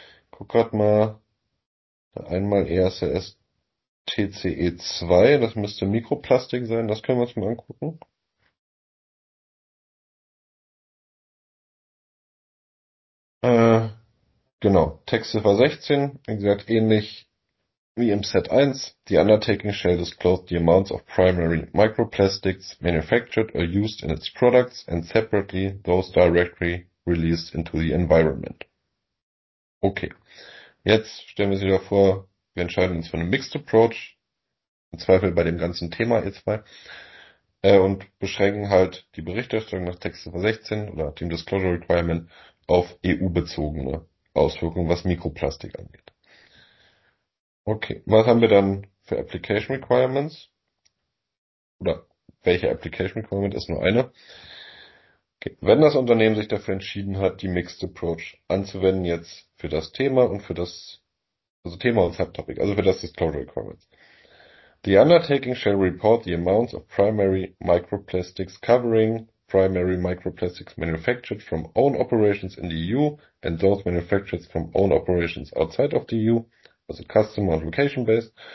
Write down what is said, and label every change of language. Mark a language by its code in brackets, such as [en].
[de] Guck grad mal, einmal ESS TCE2, das müsste Mikroplastik sein, das können wir uns mal angucken. Genau, Textziffer 16, wie gesagt, ähnlich wie im Set 1. [en] The undertaking shall disclose the amounts of primary microplastics manufactured or used in its products and separately those directly released into the environment. [de] Okay, jetzt stellen wir uns wieder vor, wir entscheiden uns für einen Mixed Approach, im Zweifel bei dem ganzen Thema E2, und beschränken halt die Berichterstattung nach Textziffer 16 oder dem Disclosure Requirement auf EU-bezogene Auswirkungen, was Mikroplastik angeht. Okay, was haben wir dann für Application Requirements? Oder welche Application Requirement ist nur eine? Okay. Wenn das Unternehmen sich dafür entschieden hat, die Mixed Approach anzuwenden, jetzt für das Thema und für das, also Thema und Subtopic, also für das Disclosure Requirements. [en] The undertaking shall report the amounts of primary microplastics covering primary microplastics manufactured from own operations in the EU and those manufactured from own operations outside of the EU, also customer and location based.